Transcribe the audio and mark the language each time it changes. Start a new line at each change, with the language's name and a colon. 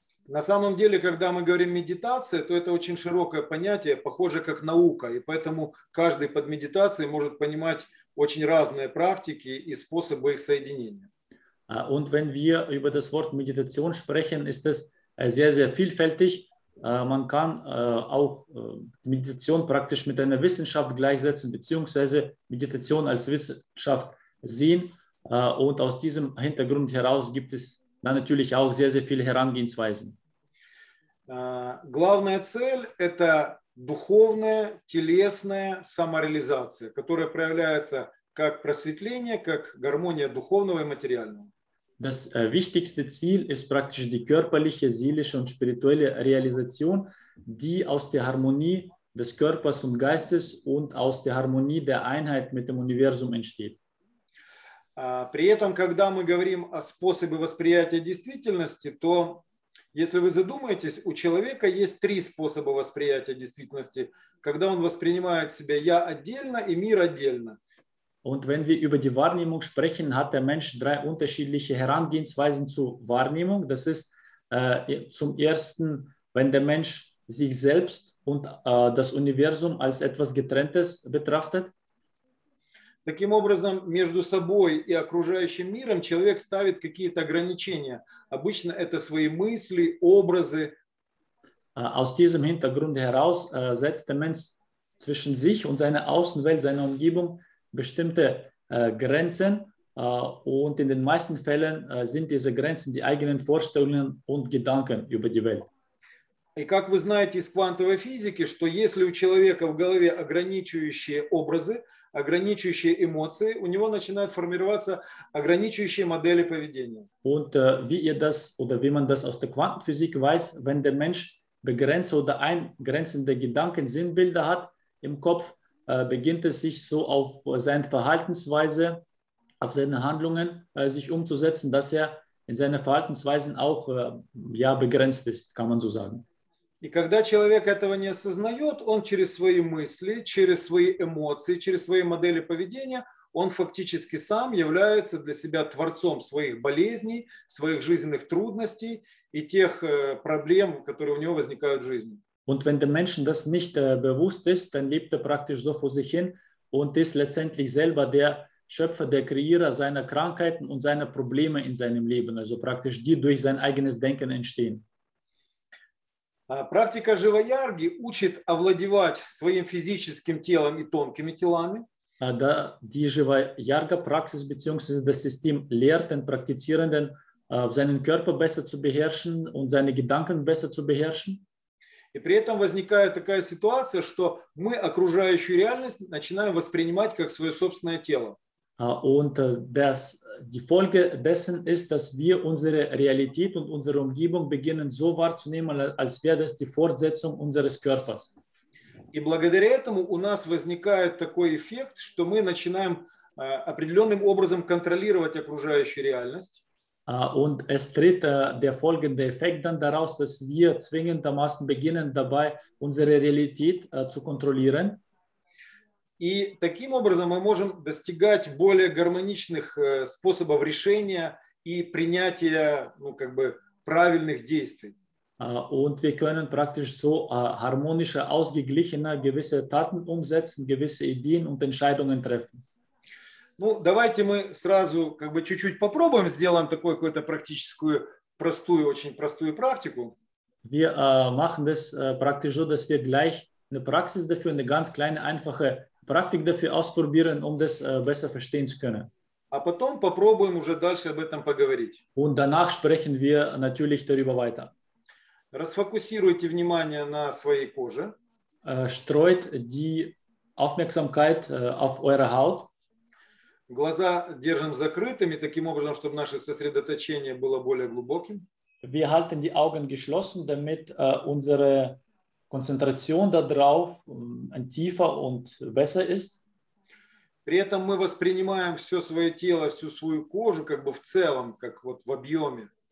Russian: На самом деле, когда мы говорим медитация, то это очень широкое понятие, похоже как наука, и поэтому каждый под медитацией может понимать очень разные практики и способы их соединения.
German: Und wenn wir über das Wort Meditation sprechen, ist es sehr, sehr vielfältig. Man kann auch Meditation praktisch mit einer Wissenschaft gleichsetzen, beziehungsweise Meditation als Wissenschaft sehen. Und aus diesem Hintergrund heraus gibt es dann natürlich auch sehr, sehr viele Herangehensweisen.
Russian: Главная цель – это духовная, телесная самореализация, которая проявляется как просветление, как гармония духовного и материального.
German: Das wichtigste Ziel ist praktisch die körperliche, seelische und spirituelle Realisation, die aus der Harmonie des Körpers und Geistes und aus der Harmonie der Einheit mit dem Universum entsteht.
Russian: При этом, когда мы говорим о способе восприятия действительности, то, если вы задумаетесь, у человека есть три способа восприятия действительности, когда он воспринимает себя «я» отдельно и «мир» отдельно.
German: Und wenn wir über die Wahrnehmung sprechen, hat der Mensch drei unterschiedliche Herangehensweisen zur Wahrnehmung. Das ist zum Ersten, wenn der Mensch sich selbst und das Universum als etwas Getrenntes betrachtet.
Russian: Таким образом, между собой и окружающим миром человек ставит какие-то ограничения. Обычно это свои мысли, образы.
German: Aus diesem Hintergrund heraus setzt der Mensch zwischen sich und seiner Außenwelt, seiner Umgebung bestimmte Grenzen. Und in den meisten Fällen sind diese Grenzen die eigenen Vorstellungen und Gedanken über die Welt.
Russian: И как вы знаете из квантовой физики, что если у человека в голове ограничивающие образы, ограничивающие эмоции, у него начинают формироваться ограничивающие модели поведения.
German: Und wie ihr das oder wie man das aus der Quantenphysik weiß, wenn der Mensch begrenzte oder eingrenzende Gedanken, Sinnbilder hat im Kopf, beginnt es sich so auf seine Verhaltensweise, auf seine Handlungen sich umzusetzen, dass in seiner Verhaltensweisen auch begrenzt ist, kann man so sagen.
Russian: И когда человек этого не осознает, он через свои мысли, через свои эмоции, через свои модели поведения, он фактически сам является для себя творцом своих болезней, своих жизненных трудностей и тех проблем, которые у него возникают в жизни.
German: Und wenn dem Menschen das nicht bewusst ist, dann lebt praktisch so vor sich hin und ist letztendlich selber der Schöpfer, der Kreierer seiner Krankheiten und seiner Probleme in seinem Leben, also praktisch die durch sein eigenes Denken entstehen.
Russian: Практика Живаярги учит овладевать своим физическим телом и тонкими телами. Да,
German: die Живаярга-Praxis beziehungsweise das System lehrt den Praktizierenden, seinen Körper besser zu beherrschen und seine Gedanken besser zu beherrschen.
Russian: И при этом возникает такая ситуация, что мы окружающую реальность начинаем воспринимать как свое собственное тело.
German: Und das, die Folge dessen ist, dass wir unsere Realität und unsere Umgebung beginnen so wahrzunehmen, als wäre das die Fortsetzung unseres Körpers.
Russian: И благодаря этому у нас возникает такой эффект, что мы начинаем определенным образом контролировать окружающую реальность.
German: Und es tritt der folgende Effekt dann daraus, dass wir zwingendermaßen beginnen dabei, unsere Realität zu kontrollieren.
Russian: И таким образом мы можем достигать более гармоничных способов решения и принятия, ну, как бы, правильных действий.
German: Und wir können praktisch so harmonische, ausgeglichene gewisse Taten umsetzen, gewisse Ideen und Entscheidungen treffen.
Russian: Ну, давайте мы сразу как бы чуть-чуть попробуем, сделаем такую какую-то практическую, простую, очень простую практику.
German: Wir machen das praktisch so, dass wir gleich eine Praxis dafür, eine ganz kleine, einfache Praktik dafür ausprobieren, um das besser verstehen zu können.
Russian: А потом попробуем уже дальше об этом поговорить.
German: Und danach sprechen wir natürlich darüber weiter.
Russian: Расфокусируйте внимание на своей коже.
German: Streut die Aufmerksamkeit auf eure Haut.
Russian: Глаза держим закрытыми, таким образом, чтобы наше сосредоточение было более глубоким.
German: Wir halten die Augen geschlossen, damit unsere Konzentration darauf tiefer und besser ist.
Russian: При этом мы воспринимаем все свое тело, всю свою кожу, как бы в целом, как вот в объеме.